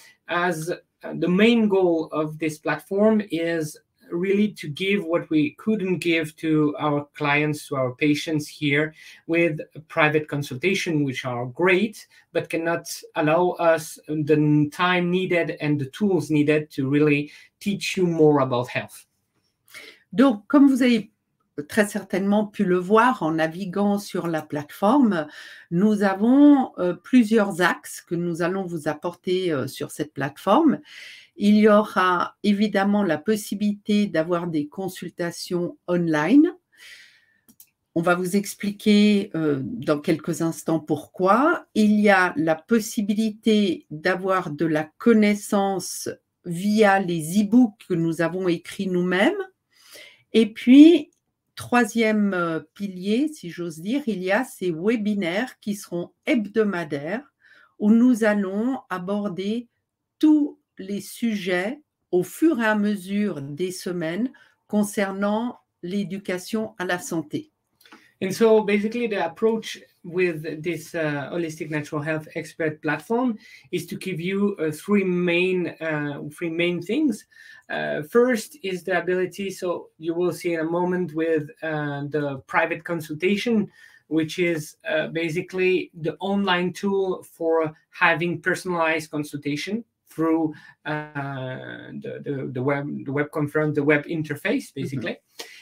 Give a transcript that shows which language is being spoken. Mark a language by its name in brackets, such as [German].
[English] As the main goal of this platform is really to give what we couldn't give to our clients, to our patients here with a private consultation, which are great, but cannot allow us the time needed and the tools needed to really teach you more about health. [French] Donc, comme vous avez très certainement pu le voir en naviguant sur la plateforme, nous avons plusieurs axes que nous allons vous apporter sur cette plateforme. Il y aura évidemment la possibilité d'avoir des consultations online. On va vous expliquer dans quelques instants pourquoi. Il y a la possibilité d'avoir de la connaissance via les e-books que nous avons écrits nous-mêmes. Et puis, troisième pilier, si j'ose dire, il y a ces webinaires qui seront hebdomadaires où nous allons aborder tous les sujets au fur et à mesure des semaines concernant l'éducation à la santé. [English] And so basically the approach with this Holistic Natural Health Expert platform is to give you three main things. First is the ability, so you will see in a moment with the private consultation, which is basically the online tool for having personalized consultation through the web conference, the web interface, basically. Mm-hmm.